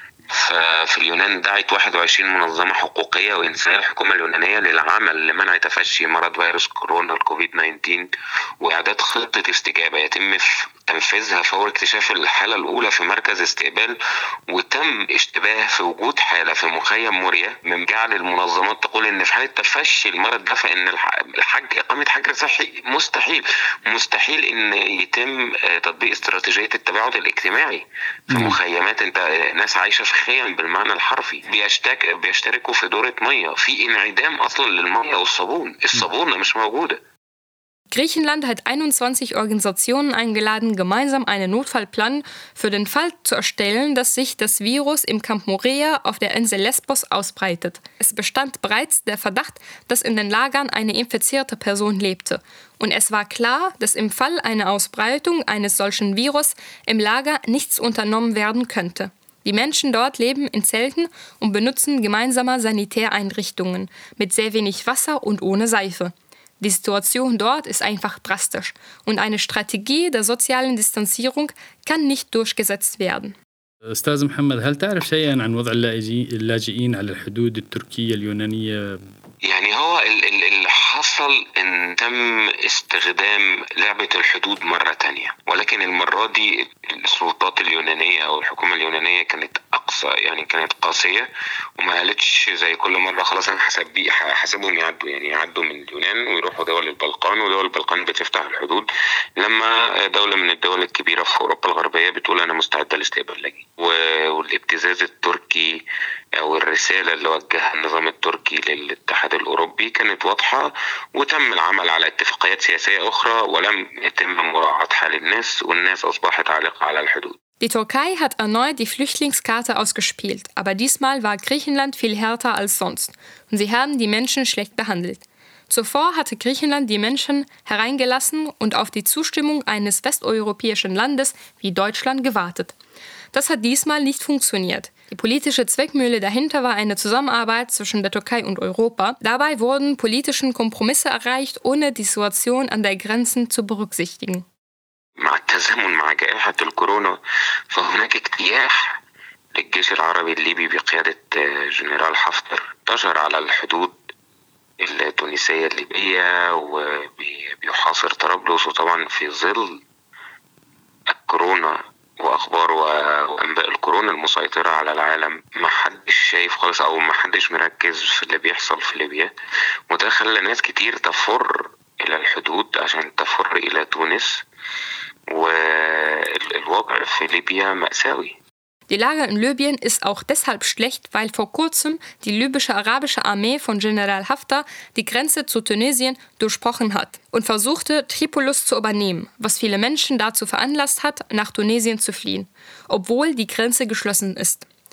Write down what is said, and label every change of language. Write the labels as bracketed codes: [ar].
[ar] ففي اليونان دعت 21 منظمة حقوقية وإنسانية الحكومة اليونانية للعمل لمنع تفشي مرض فيروس كورونا الكوفيد 19 وإعداد خطة استجابة يتم تنفيذها فور اكتشاف الحالة الأولى في مركز استقبال، وتم اشتباه في وجود حالة في مخيم موريا، من جعل المنظمات تقول إن في حالة تفشي المرض ده فإن الحج إقامة حجر صحي مستحيل إن يتم تطبيق استراتيجية التباعد الاجتماعي في مخيمات أنت ناس عايشة في خيم بالمعنى الحرفي، بيشتركوا في دورة مية، في انعدام أصلا للمية والصابون، الصابونة مش موجودة. [de] Griechenland hat 21 Organisationen eingeladen, gemeinsam einen Notfallplan für den Fall zu erstellen, dass sich das Virus im Camp Moria auf der Insel Lesbos ausbreitet. Es bestand bereits der Verdacht, dass in den Lagern eine infizierte Person lebte. Und es war klar, dass im Fall einer Ausbreitung eines solchen Virus im Lager nichts unternommen werden könnte. Die Menschen dort leben in Zelten und benutzen gemeinsame Sanitäreinrichtungen mit sehr wenig Wasser und ohne Seife. Die Situation dort ist einfach drastisch und eine Strategie der sozialen Distanzierung kann nicht durchgesetzt werden. [ar] أستاذ محمد، هل تعرف شيئا عن وضع اللاجئين على الحدود التركية اليونانية؟ يعني هو اللي حصل ان تم استخدام لعبة الحدود مرة تانية، ولكن المرة دي السلطات اليونانية او الحكومة اليونانية كانت اقصى، يعني كانت قاسية وما قالتش زي كل مرة خلاص انا حسبهم يعدوا، يعني يعدوا من اليونان ويروحوا دول البلقان، ودول البلقان بتفتح الحدود لما دولة من الدول الكبيرة في اوروبا الغربية بتقول انا مستعدة لاستقبال لاجئ. والابتزاز التركي أو الرسالة اللي وجهها النظام التركي للاتحاد الأوروبي كانت واضحة، وتم العمل على اتفاقيات سياسية أخرى ولم يتم مراعاة حال الناس والناس أصبحت عالقة على الحدود. [de] Die Türkei hat erneut die Flüchtlingskarte ausgespielt, aber diesmal war Griechenland viel härter als sonst und sie haben die Menschen schlecht behandelt. Zuvor hatte Griechenland die Menschen hereingelassen und auf die Zustimmung eines westeuropäischen Landes wie Deutschland gewartet. Das hat diesmal nicht funktioniert. Die politische Zweckmühle dahinter war eine Zusammenarbeit zwischen der Türkei und Europa. Dabei wurden politische Kompromisse erreicht, ohne die Situation an der Grenze zu berücksichtigen. [ar] مع التزامن مع جائحة الكورونا فهناك اجتياح للجيش العربي الليبي بقيادة جنرال حفتر انتشر على الحدود التونسية الليبية وبيحاصر طرابلس، وطبعا في ظل الكورونا وأخبار وأنباء الكورونا المسيطرة على العالم محدش شايف خالص أو محدش مركز في اللي بيحصل في ليبيا، وده خلى ناس كتير تفر إلى الحدود عشان تفر إلى تونس، والوضع في ليبيا مأساوي. [de] Die Lage in Libyen ist auch deshalb schlecht, weil vor kurzem die libysche arabische Armee von General Haftar die Grenze zu Tunesien durchbrochen hat und versuchte, Tripolis zu übernehmen, was viele Menschen dazu veranlasst hat, nach Tunesien zu fliehen, obwohl die Grenze geschlossen ist.